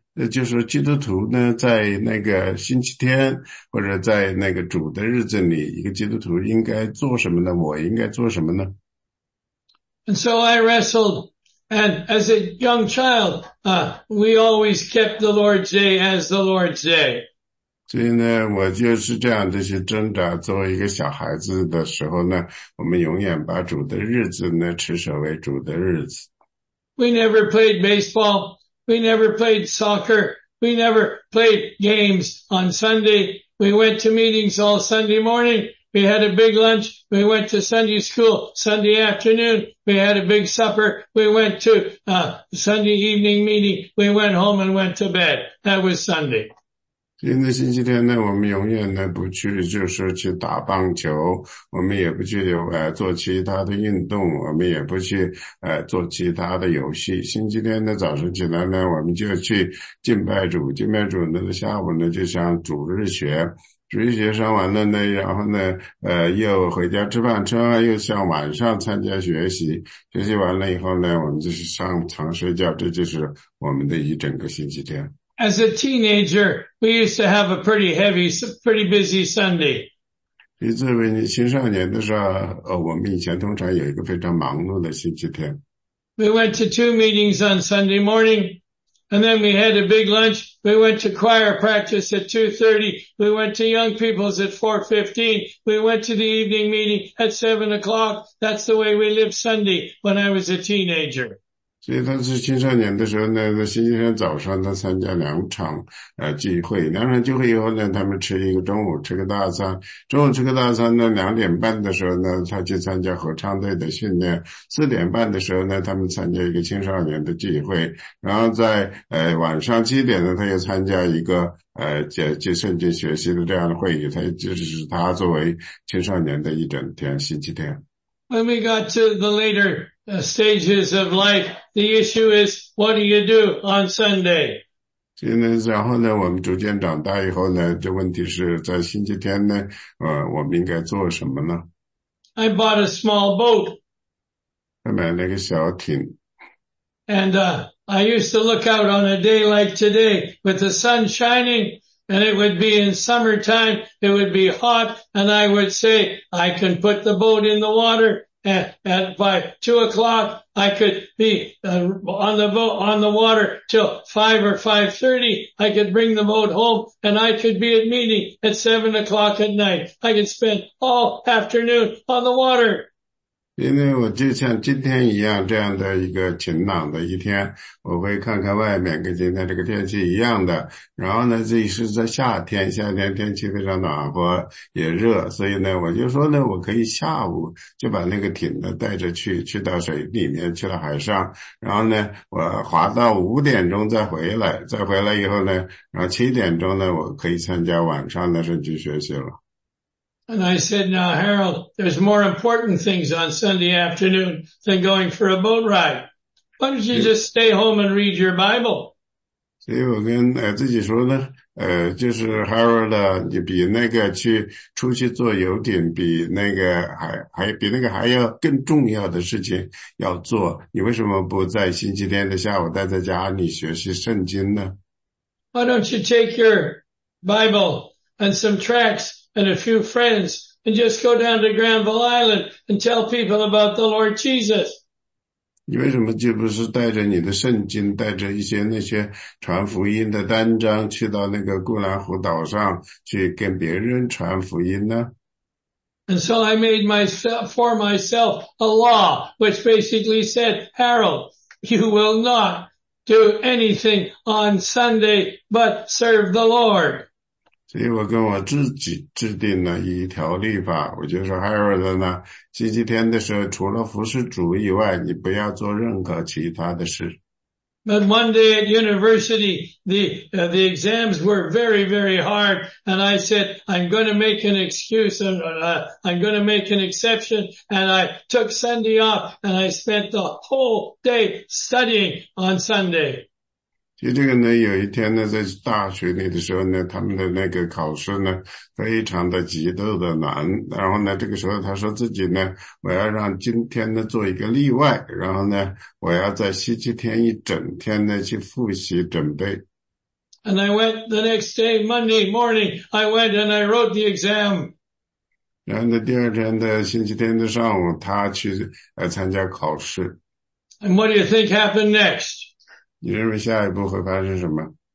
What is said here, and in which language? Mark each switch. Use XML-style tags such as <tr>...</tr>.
<zh>就是说基督徒呢,在那个星期天,或者在那个主的日子里,一个基督徒应该做什么呢?我应该做什么呢?</zh> <en>And so I wrestled And as a young child, we always kept the Lord's Day as the Lord's Day.</en> <zh>所以呢，我就是这样的去挣扎。作为一个小孩子的时候呢，我们永远把主的日子呢，持守为主的日子。</zh> <en>We never played baseball. We never played soccer. We never played games on Sunday. We went to meetings all Sunday morning. We had a big lunch. We went to Sunday school Sunday afternoon. We had a big supper. We went to Sunday evening meeting. We went home and went to bed. That was Sunday.</en> <zh>因为星期天呢，我们永远呢不去，就是去打棒球，我们也不去做其他的运动，我们也不去做其他的游戏。星期天呢早上起来呢，我们就去敬拜主，敬拜主呢下午呢就像主日学，主日学上完了呢，然后呢又回家吃饭，吃完又像晚上参加学习，学习完了以后呢，我们就是上床睡觉，这就是我们的一整个星期天。</zh> <en>As a teenager, we used to have a pretty busy Sunday.</en> <zh>你作为你青少年的时候，我们以前通常有一个非常忙碌的星期天。</zh> <en>We went to two meetings on Sunday morning, and then we had a big lunch. We went to choir practice at 2:30. We went to young people's at 4:15. We went to the evening meeting at 7 o'clock. That's the way we lived Sunday when I was a teenager.</en> <zh>所以他是青少年的时候呢，那星期天早上他参加两场聚会，两场聚会以后呢，他们吃一个中午吃个大餐，中午吃个大餐呢，两点半的时候呢，他去参加合唱队的训练，四点半的时候呢，他们参加一个青少年的聚会，然后在晚上七点呢，他又参加一个圣经学习的这样的会议，他就是他作为青少年的一整天星期天。</zh> <en>When we got to the later stages of life, the issue is, what do you do on Sunday?</en> <zh>现在然后呢，我们逐渐长大以后呢，这问题是在星期天呢，我们应该做什么呢？</zh> <en>I bought a small boat.</en> <zh>我买了个小艇。</zh> <en>And I used to look out on a day like today with the sun shining. And it would be in summertime, it would be hot, and I would say, I can put the boat in the water, and by 2 o'clock, I could be on the boat, on the water till 5 or 5:30. I could bring the boat home, and I could be at meeting at 7 o'clock at night. I could spend all afternoon on the water.</en> <zh>因为我就像今天一样，这样的一个晴朗的一天，我会看看外面跟今天这个天气一样的。然后呢，这是在夏天，夏天天气非常暖和也热，所以呢，我就说呢，我可以下午就把那个艇呢带着去到水里面，去了海上。然后呢，我划到5点钟再回来，再回来以后呢，然后7点钟呢，我可以参加晚上的圣经学习了。</zh> <en>And I said, now, Harold, there's more important things on Sunday afternoon than going for a boat ride. Why don't you just stay home and read your Bible?</en> <zh>所以我跟自己说呢，就是 Harold 你比那个去出去坐游艇比那个比那个还要更重要的事情要做。你为什么不在星期天的下午待在家里学习圣经呢？</zh> <en>Why don't you take your Bible and some tracts? And a few friends, and just go down to Granville Island and tell people about the Lord Jesus.</en> <zh>你为什么就不是带着你的圣经，带着一些那些传福音的单张，去到那个固兰湖岛上去跟别人传福音呢？</zh> <en>And so I made myself for myself a law, which basically said, Harold, you will not do anything on Sunday but serve the Lord.</en> <zh>所以我跟我自己制定了一条律法，我就说 Harold 呢，星期天的时候除了服侍主以外，你不要做任何其他的事。</zh> <en>But one day at university, the exams were very, very hard, and I said, I'm going to make an excuse, and I'm going to make an exception, and I took Sunday off, and I spent the whole day studying on Sunday.</en> <zh>其实这个呢，有一天呢，在大学里的时候呢，他们的那个考试呢，非常的极度的难。然后呢，这个时候他说自己呢，我要让今天呢做一个例外。然后呢，我要在星期天一整天呢去复习准备。</zh> <en>And I went the next day, Monday morning, I went and I wrote the exam.</en> <zh>然后呢，第二天的星期天的上午，他去参加考试。</zh> <en>And what do you think happened next?</en> <zh>你认为下一步会发生什么？</zh>